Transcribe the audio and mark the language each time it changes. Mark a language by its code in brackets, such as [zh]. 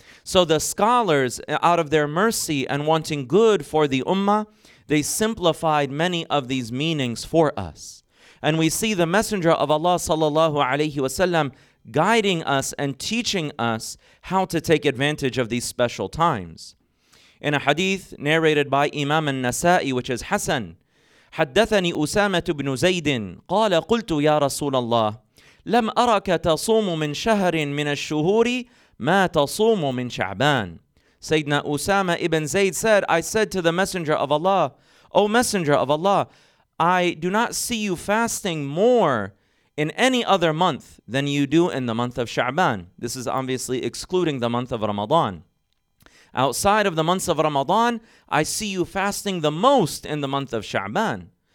[en] So the scholars, out of their mercy and wanting good for the ummah, they simplified many of these meanings for us. And we see the Messenger of Allah sallallahu alayhi wasallam guiding us and teaching us how to take advantage of these special times. In a hadith narrated by Imam al-Nasa'i, which is Hasan, [ar] حدثني أسامة بن زيد قال قلت يا رسول الله لم أرك تصوم من شهر من الشهور ما تصوم من شعبان. [en] Sayyidina Usama ibn Zayd said, I said to the Messenger of Allah, O Messenger of Allah, I do not see you fasting more in any other month than you do in the month of Sha'ban. This is obviously excluding the month of Ramadan. Outside of the months of Ramadan, I see you fasting the most in the month of Sha'ban.